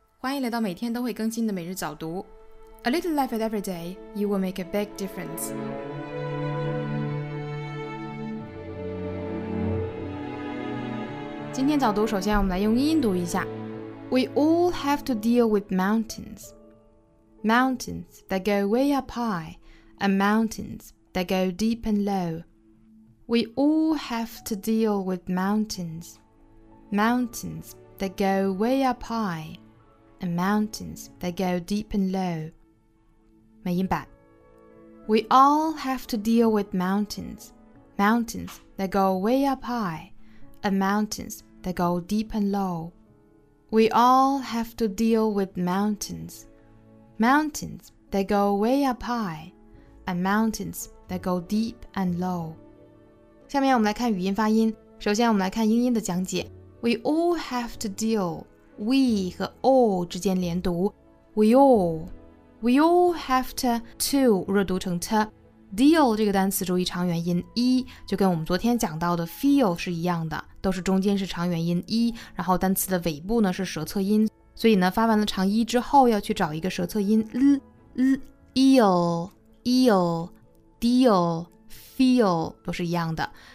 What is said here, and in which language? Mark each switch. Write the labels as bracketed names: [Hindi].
[Chinese] 欢迎来到每天都会更新的每日早读。 [English] A little life at every day, you will make a big difference. [Chinese] 今天早读首先我们来用音读一下。 [English] We all have to deal with mountains. Mountains that go way up high and mountains that go deep and low. We all have to deal with mountains. Mountains that go way up high and mountains that go deep and low. [Chinese] 美音版 [English] We all have to deal with mountains. Mountains that go way up high and mountains that go deep and low. We all have to deal with mountains. Mountains that go way up high and mountains that go deep and low. [Chinese] 下面我们来看语音发音。首先我们来看英音的讲解。 [English] We all have to deal. [Chinese] We 和 all 之间连读。 [English] We all. We all have to [Chinese] 弱读成 [English] t. [Chinese] Deal 这个单词注意长元音 e， 就跟我们昨天讲到的 feel 是一样的，都是中间是长元音 e， 然后单词的尾部呢是舌侧音，所以呢发完了长 e 之后要去找一个舌侧音 l l eel eel deal feel 都是一样的。